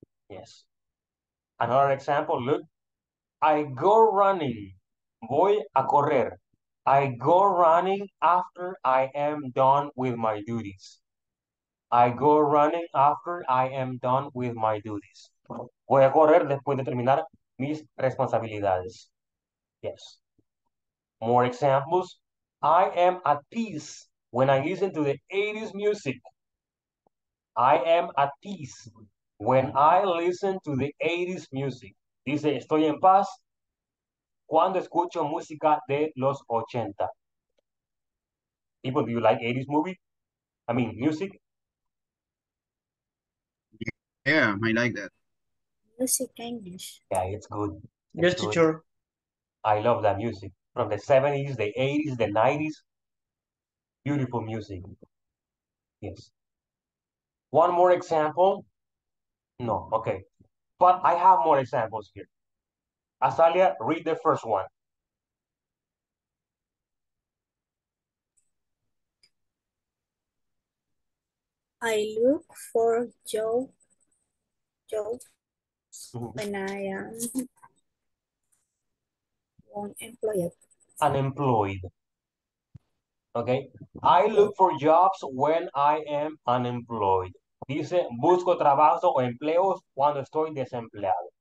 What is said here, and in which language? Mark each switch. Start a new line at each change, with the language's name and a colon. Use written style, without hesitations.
English: Yes. Another example, look. I go running.
Spanish: Voy a correr.
English: I go running after I am done with my duties. I go running after I am done with my duties.
Spanish: Voy a correr después de terminar mis responsabilidades.
English: Yes. More examples. I am at peace when I listen to the 80s music. I am at peace when I listen to the 80s music.
Spanish: Dice, estoy en paz cuando escucho música de los 80.
English: People, do you like 80s movie? I mean, music? Yeah, I like that. Music English. Yeah, it's good. Yes, teacher. I love that music. From the 70s, the 80s, the 90s. Beautiful music. Yes. One more example. No, okay. But I have more examples here. Azalea, read the first one. I look for jobs when I am unemployed. Unemployed. Okay. I look for jobs when I am unemployed.
Spanish: Dice, busco trabajo o empleos cuando estoy desempleado.